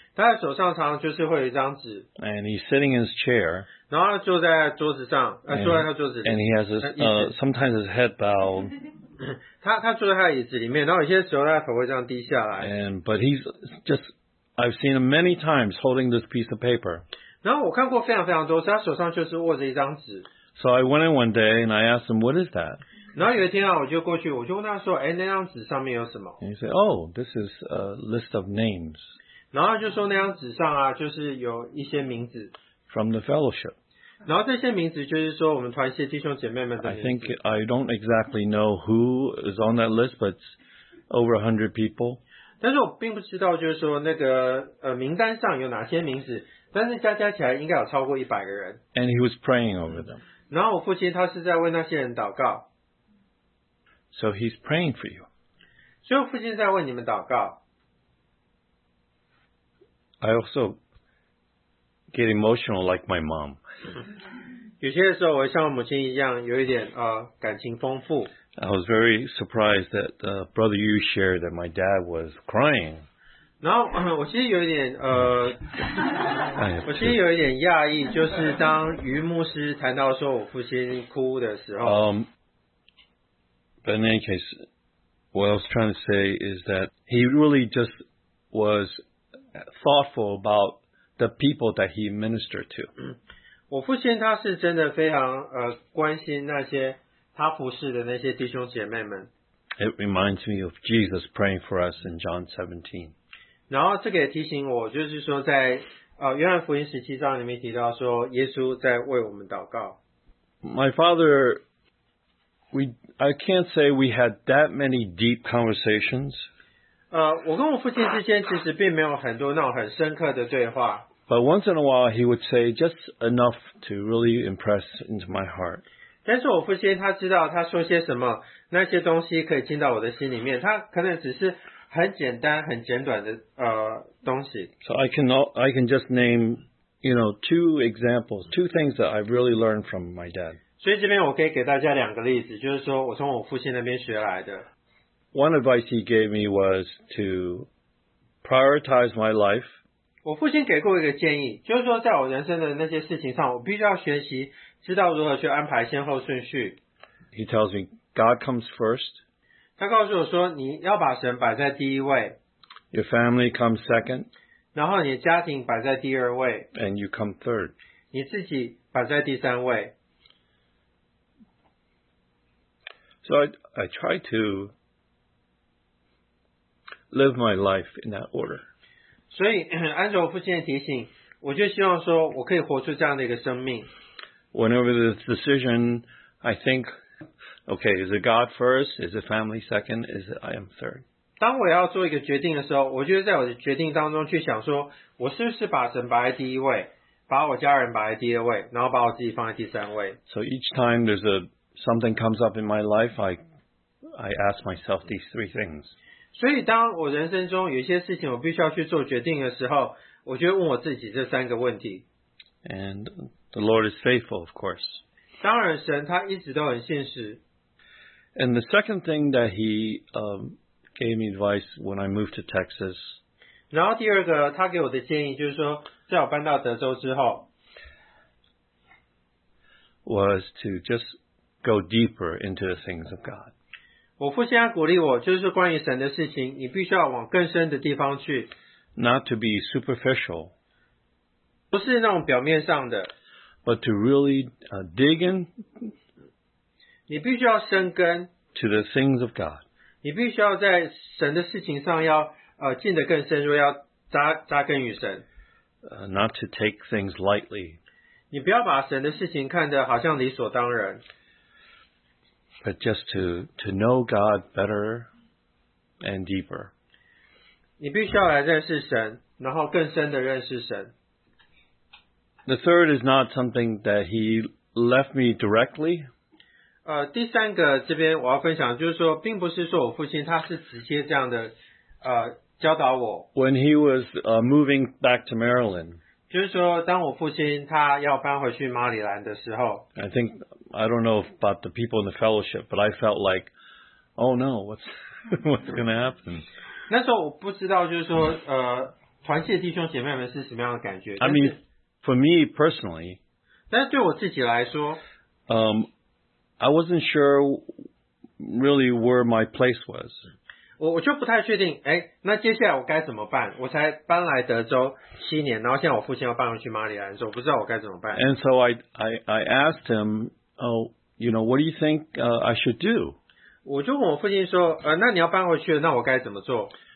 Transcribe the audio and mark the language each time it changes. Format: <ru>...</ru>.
<zh>他的手上常常就是会有一张纸。</zh> <en>And he's sitting in his chair.</en> <zh>然后他坐在桌子上，坐在他桌子里。</zh> <en>And he has sometimes his head bowed.</en> <zh>他坐在他的椅子里面，然后有些时候他的头会这样低下来。</zh> <en>But he's just, I've seen him many times holding this piece of paper.</en> <zh>然后我看过非常非常多次，他手上就是握着一张纸。</zh> <en>So I went in one day and I asked him, what is that?</en> <zh>然后有一天啊，我就过去，我就问他说，哎，那张纸上面有什么？</zh> <en>And he said, oh, this is a list of names.</en> <zh>然后就说那张纸上啊，就是有一些名字。</zh> <en>From the fellowship.</en> <zh>然后这些名字就是说我们团契弟兄姐妹们的名字。</zh> <en>I think I don't exactly know who is on that list, but it's over 100 people.</en> <zh>但是我并不知道就是说那个名单上有哪些名字，但是加起来应该有超过100个人。</zh> <en>And he was praying over them.</en> <zh>然后我父亲他是在为那些人祷告。</zh> <en>So he's praying for you.</en> <zh>所以我父亲在为你们祷告。</zh> <en>I also get emotional like my mom.</en> <zh>有些时候我像我母亲一样有一点感情丰富。</zh> <en>I was very surprised that Brother Yu shared that my dad was crying.</en> <zh>然后我其实有一点我其实有一点讶异，就是当余牧师谈到说我父亲哭的时候。</zh> <en>But in any case, what I was trying to say is that he really just was thoughtful about the people that he ministered to.</en> <zh>我父亲他是真的非常关心那些他服侍的那些弟兄姐妹们。</zh> <en>It reminds me of Jesus praying for us in John 17.</en> <zh>然后这个也提醒我，就是说在约翰福音十七章里面提到说耶稣在为我们祷告。</zh> <en>My father, I can't say we had that many deep conversations.</en> <zh>我跟我父亲之间其实并没有很多那种很深刻的对话。</zh> <en>But once in a while, he would say just enough to really impress into my heart.</en> <zh>但是我父亲他知道他说些什么，那些东西可以进到我的心里面。他可能只是很简单、很简短的东西。</zh> <en>So I can just name, you know, two examples, two things that I've really learned from my dad.</en> <zh>所以这边我可以给大家两个例子，就是说我从我父亲那边学来的。</zh> <en>One advice he gave me was to prioritize my life.</en> <zh>我父亲给过一个建议，就是说在我人生的那些事情上，我必须要学习知道如何去安排先后顺序。</zh> <en>He tells me, God comes first.</en> <zh>他告诉我说，你要把神摆在第一位。</zh> <en>Your family comes second.</en> <zh>然后你的家庭摆在第二位。</zh> <en>And you come third.</en> <zh>你自己摆在第三位。</zh> <en>So I try to live my life in that order.</en> <zh>所以按照我父亲的提醒，我就希望说我可以活出这样的一个生命。</zh> <en>Whenever the decision, I think, okay, is it God first? Is it family second? Is it I am third?</en> <zh>当我要做一个决定的时候，我就在我的决定当中去想说，我是不是把神摆在第一位，把我家人摆在第二位，然后把我自己放在第三位。</zh> <en>So each time there's something comes up in my life, I ask myself these three things.</en> <zh>所以当我人生中有一些事情我必须要去做决定的时候，我就问我自己这三个问题。</zh> <en>And the Lord is faithful, of course.</en> <zh>当然神他一直都很信实。</zh> <en>And the second thing that he gave me advice when I moved to Texas.</en> <zh>然后第二个他给我的建议就是说，在我搬到德州之后，</zh> <en>was to just go deeper into the things of God.</en> <zh>我父亲他鼓励我，就是关于神的事情，你必须要往更深的地方去。</zh> <en>Not to be superficial.</en> <zh>不是那种表面上的。</zh> <en>But to really dig in.</en> <zh>你必须要深根。</zh> <en>To the things of God.</en> <zh>你必须要在神的事情上要进得更深入，要扎根于神。</zh> <en>Not to take things lightly.</en> <zh>你不要把神的事情看得好像理所当然。</zh> <en>But just to know God better and deeper.</en> <zh>你必须要来认识神，然后更深的认识神。</zh> <en>The third is not something that he left me directly.</en> <zh>第三个这边我要分享，就是说，并不是说我父亲他是直接这样的教导我。</zh> <en>When he was moving back to Maryland，</en> <zh>就是说，当我父亲他要搬回去马里兰的时候</zh> <en>，I think I don't know about the people in the fellowship， but I felt like， oh no， what's going to happen？</en> <zh>那时候我不知道，就是说团契的弟兄姐妹们是什么样的感觉。</zh> <en>I mean， for me personally，</en> <zh>但是对我自己来说，</zh> <en>I wasn't sure really where my place was.</en> <zh>我就不太确定，诶，那接下来我该怎么办？我才搬来德州七年，然后现在我父亲要搬回去马里兰，所以我不知道我该怎么办。</zh> <en>And so I asked him, oh, you know, what do you think I should do?</en> <zh>我就问我父亲说，那你要搬回去了，那我该怎么做？</zh>